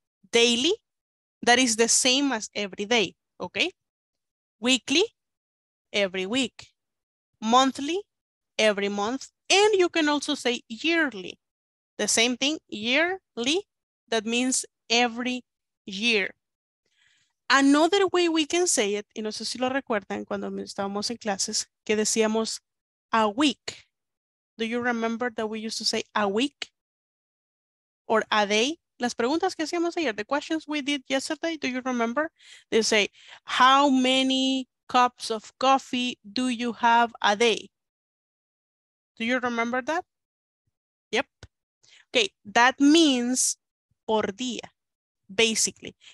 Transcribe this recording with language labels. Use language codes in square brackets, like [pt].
[en] Daily, that is the same as every day, okay? Weekly, every week. Monthly, every month. And you can also say yearly. The same thing, yearly, that means every year. Another way we can say it, [es] y no sé si lo recuerdan cuando estábamos en clases, que decíamos a week. [en] Do you remember that we used to say a week? Or a day? [es] Las preguntas que hacíamos ayer, [en] the questions we did yesterday, do you remember? They say, how many cups of coffee do you have a day? Do you remember that? Yep. Okay, that means [es] por día, [en] basically.